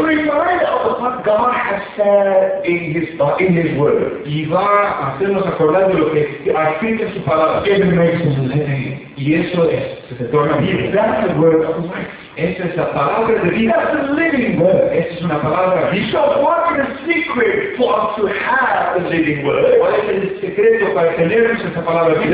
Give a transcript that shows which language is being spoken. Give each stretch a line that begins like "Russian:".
English: remind us of what God has said in his word,
Spanish: y va a hacernos acordar de lo que ha escrito en su palabra,
English: it makes us living,
Spanish: y eso es, se torna vida.
English: That's the word of life.
Spanish: Esa es la palabra de vida.
English: That's the living word.
Spanish: Esa es una palabra viva.
English: So what is the secret for us to have the living word?
Spanish: ¿Cuál es el secreto para tener esa palabra viva?